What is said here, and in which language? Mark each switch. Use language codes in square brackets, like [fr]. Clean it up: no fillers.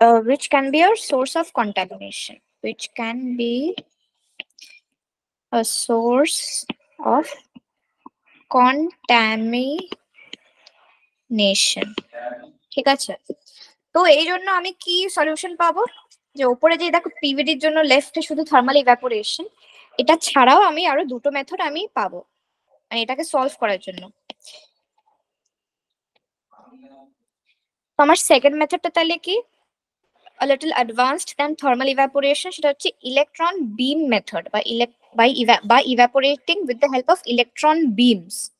[en] Which can be a source of contamination, which can be a source of contamination. [bn] ঠিক আছে, তো এই জন্য আমি কি সলিউশন পাবো যে উপরে যে দেখো পিভিডির জন্য লেফটে শুধু থার্মাল ইভাপোরেশন, এটা ছাড়াও আমি আরো দুটো মেথড আমি পাবো মানে এটাকে সলভ করার জন্য। আমার সেকেন্ড মেথডটা তাহলে কি [en] a little advanced than thermal evaporation, [bn] সেটা হচ্ছে [en] electron beam method by evaporating with the help of electron beams.